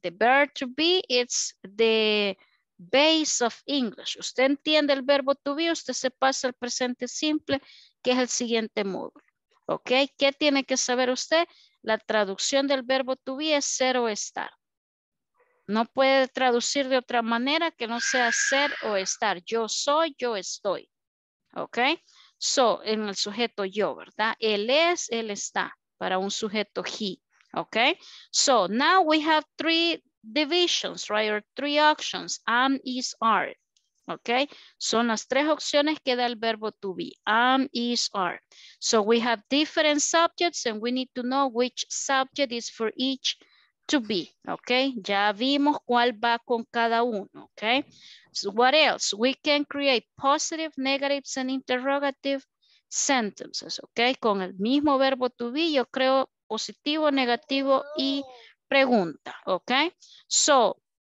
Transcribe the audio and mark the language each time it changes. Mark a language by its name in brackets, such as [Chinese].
[English] The verb to be, it's the base of English. [Spanish] Usted entiende el verbo to be, usted se pasa al presente simple, que es el siguiente módulo. ¿Ok? ¿Qué tiene que saber usted? La traducción del verbo to be es ser o estar. No puede traducir de otra manera que no sea ser o estar. Yo soy, yo estoy. ¿Ok? So, en el sujeto yo, ¿verdad? Él es, él está. Para un sujeto he, okay? [English] So now we have three divisions, right? Or three options, am, is, are, okay? [Spanish] Son las tres opciones que da el verbo to be, am, is, are. [English] So we have different subjects and we need to know which subject is for each to be, okay? [Spanish] Ya vimos cuál va con cada uno, okay? [English] So what else? We can create positive, negatives, and interrogative sentences, ok, [Spanish] con el mismo verbo to be, yo creo positivo, negativo y pregunta, [English] ok, so